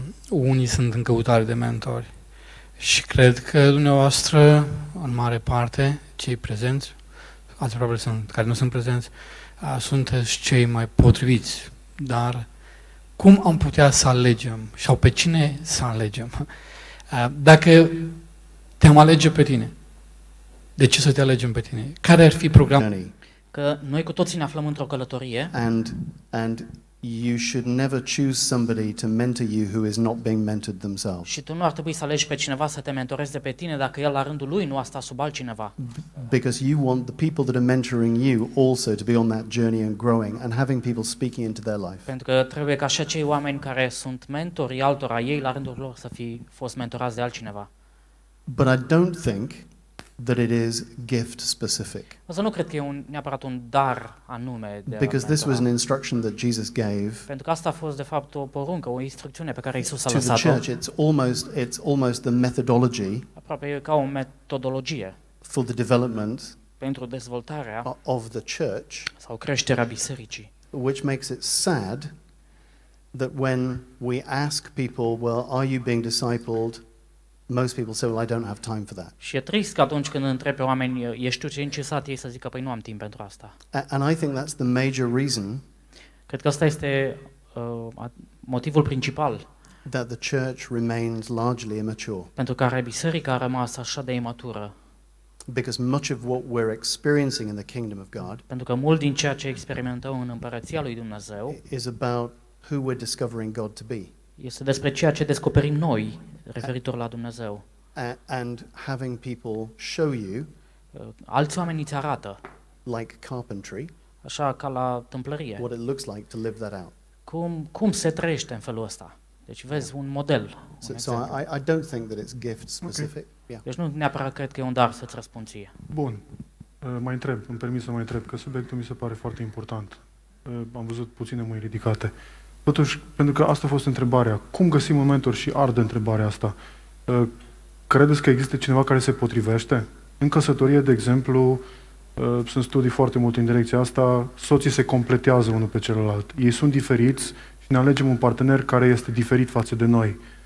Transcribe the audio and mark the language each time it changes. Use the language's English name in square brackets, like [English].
[Romanian] Unii sunt în căutare de mentori. Și cred că dumneavoastră, în mare parte, cei prezenți, alții probabil sunt, care nu sunt prezenți, sunteți cei mai potriviți. Dar cum am putea să alegem? Sau pe cine să alegem? Dacă te-am alege pe tine, de ce să te alegem pe tine? Care ar fi programul? Că noi cu toții ne aflăm într-o călătorie. [English] And you should never choose somebody to mentor you who is not being mentored themselves. [Romanian] Și tu nu ar trebui să alegi pe cineva să te mentoreze pe tine dacă el la rândul lui nu a stat sub altcineva. [English] Because you want the people that are mentoring you also to be on that journey and growing and having people speaking into their life. [Romanian] Pentru că trebuie ca și acei oameni care sunt mentori altora, ei la rândul lor să fi fost mentorați de altcineva. [English] But I don't think that it is gift specific. [Romanian] Asta nu cred că e neapărat un dar anume de. [English] Because this was an instruction that Jesus gave. [Romanian] Pentru că asta a fost de fapt o poruncă, o instrucțiune pe care Iisus a lăsat-o. [English] To the church, it's almost the methodology. [Romanian] Aproape e ca o metodologie. [English] For the development. [Romanian] Pentru dezvoltarea. [English] Of the church. [Romanian] Sau creșterea bisericii. [English] Which makes it sad that when we ask people, well, are you being discipled? Most people say, well, I don't have time for that. [Romanian] Și e trist că atunci când întrebi pe oameni, ești tu încesat, ei să zică, păi nu am timp pentru asta. [English] And I think that's the major reason. [Romanian] Cred că asta este motivul principal. [English] That the church remains largely immature. [Romanian] Pentru care biserica a rămas așa de imatură. [English] Because much of what we're experiencing in the kingdom of God. [Romanian] Pentru că mult din ceea ce experimentăm în împărăția lui Dumnezeu. [English] Is about who we're discovering God to be. [Romanian] Este despre ceea ce descoperim noi referitor la Dumnezeu. [English] And having people show you. [Romanian] Alți oameni îți arată. [English] Like carpentry. [Romanian] Așa ca la tâmplărie. [English] What it looks like to live that out. [Romanian] Cum se trăiește în felul ăsta? Deci vezi un model. [English] So I don't think that it's gift specific. Okay. Yeah. [Romanian] Deci nu neapărat cred că e un dar să-ți răspund ție. Bun. Mai întreb, îmi permis să mai întreb, că subiectul mi se pare foarte important. Am văzut puține mâini ridicate. Totuși, pentru că asta a fost întrebarea, cum găsim un mentor și arde întrebarea asta? Credeți că există cineva care se potrivește? În căsătorie, de exemplu, sunt studii foarte multe în direcția asta, soții se completează unul pe celălalt. Ei sunt diferiți și ne alegem un partener care este diferit față de noi.